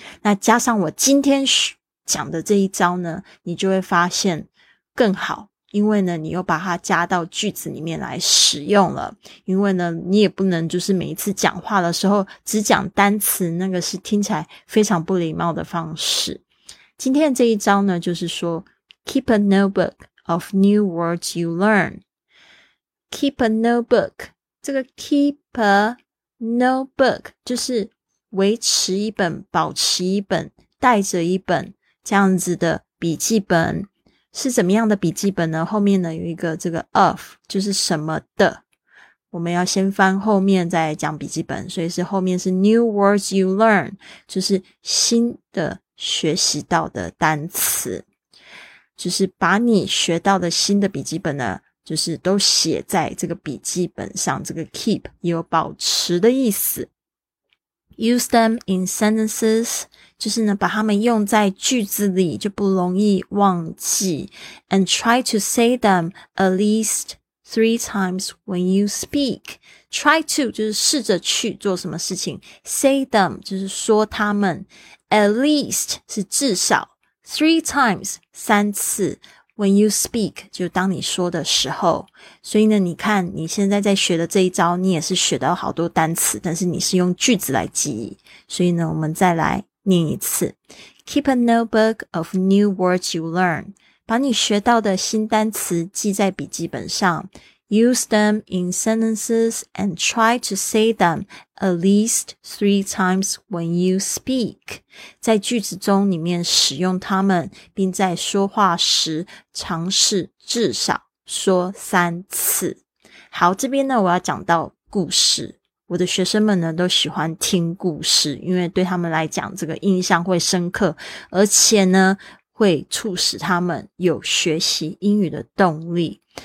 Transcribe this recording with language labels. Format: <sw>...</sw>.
<zh>那加上我今天讲的这一招呢，你就会发现更好，因为呢你又把它加到句子里面来使用了。因为呢你也不能就是每一次讲话的时候只讲单词，那个是听起来非常不礼貌的方式。今天的这一招呢就是说</zh> <en>Keep a notebook of new words you learn. Keep a notebook.</en> <zh>这个</zh> <en>keep aNotebook</en> <zh>就是维持一本、保持一本、带着一本这样子的笔记本。是怎么样的笔记本呢？后面呢有一个这个 of， 就是什么的，我们要先翻后面再讲笔记本，所以是后面是</zh> <en>new words you learn，</en> <zh>就是新的学习到的单词，就是把你学到的新的笔记本呢就是都写在这个笔记本上。这个 keep 有保持的意思。</zh> <en>Use them in sentences</en> <zh>就是呢把它们用在句子里，就不容易忘记。</zh> <en>And try to say them at least 3 times when you speak. Try to</en> <zh>就是试着去做什么事情，</zh> <en>say them</en> <zh>就是说它们，</zh> <en>at least</en> <zh>是至少，</zh> <en>3 times</en> <zh>3次，</zh> <en>When you speak,</en> <zh>就当你说的时候。所以呢你看你现在在学的这一招，你也是学到好多单词，但是你是用句子来记忆。所以呢我们再来念一次。</zh> <en>Keep a notebook of new words you learn.</en> <zh>把你学到的新单词记在笔记本上。</zh> <en>Use them in sentences and try to say them at least 3 times when you speak.</en> <zh>在句子中里面使用它们，并在说话时尝试至少说3次。好，这边呢我要讲到故事。我的学生们呢都喜欢听故事，因为对他们来讲这个印象会深刻，而且呢会促使他们有学习英语的动力。</zh>